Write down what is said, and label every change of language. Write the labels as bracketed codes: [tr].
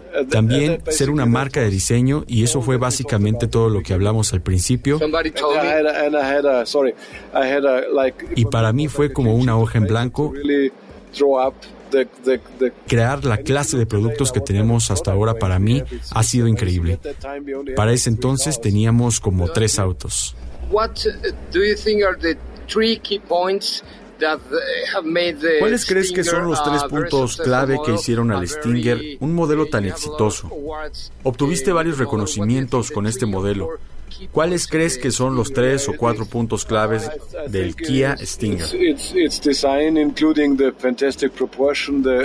[es] También ser una marca de diseño, y eso fue básicamente todo lo que hablamos al principio. Y para mí fue como una hoja en blanco. Crear la clase de productos que tenemos hasta ahora para mí ha sido increíble. Para ese entonces teníamos como 3 autos. [en] What do you think are the 3 key points that have made the [es] ¿Cuáles crees que son los 3 puntos clave que hicieron al Stinger un modelo tan exitoso? Obtuviste varios reconocimientos con este modelo. ¿Cuáles crees que son los 3 o 4 puntos claves del Kia Stinger? [en] It's design, including the fantastic proportion, the